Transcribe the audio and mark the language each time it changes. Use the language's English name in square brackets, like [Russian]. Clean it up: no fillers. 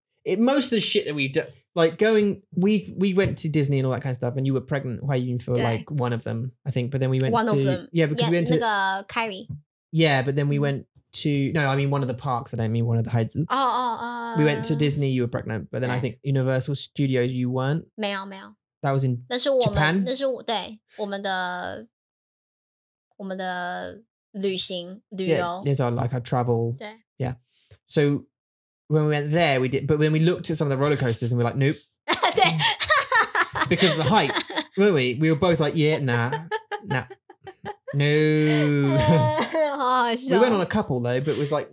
[English] It, most of the shit that we do, like going, we went to Disney and all that kind of stuff, and you were pregnant, why you feel like one of them, I think. But then we went one to. One of them. Yeah, because yeah, we went to. Like, Kyrie. Yeah, but then we went to. No, I mean one of the parks, I don't mean one of the hides. We went to Disney, you were pregnant, but then I think Universal Studios, you weren't. [Chinese] 没有没有 [English] That was in [Chinese] 那是我们, [English] Japan? [Chinese] 那是我, 对, 我们的我们的旅行旅游 [English] yeah, our, like our travel [Chinese] 对 [English] yeah so when we went there we did but when we looked at some of the roller coasters and we're like nope [Chinese] 对 [English] because of the height weren't we we were both like yeah nah nah no [Chinese] 好好笑 [English] we went on a couple though but it was like